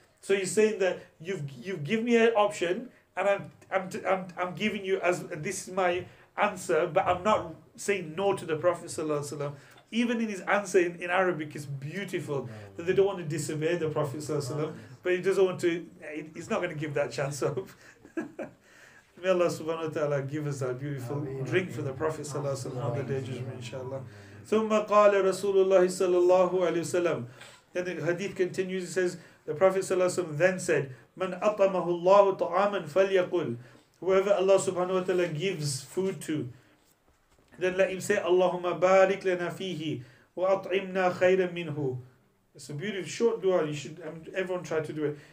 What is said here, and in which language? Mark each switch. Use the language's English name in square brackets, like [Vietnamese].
[English] So he's saying that you've given me an option, and I'm giving you as this is my answer, but I'm not saying no to the Prophet sallallahu alaihi wasallam. Even in his answer in Arabic, it's beautiful that they don't want to disobey the Prophet sallallahu alaihi wasallam, but he doesn't want to. He's not going to give that chance up. May Allah subhanahu wa taala give us that beautiful drink for the Prophet sallallahu alaihi wasallam on the day of judgment, inshallah. [Arabic] ثم قال رسول الله صلى الله عليه وسلم. [English] Then the hadith continues. It says the Prophet sallallahu alaihi wasallam then said, [Arabic] من أطعمه الله طعاما فليقل. [English] Whoever Allah subhanahu wa taala gives food to, then let him say, [Arabic] اللهم بارك لنا فيه وأطعمنا خيرا منه. [English] It's a beautiful short dua. You should, everyone try to do it.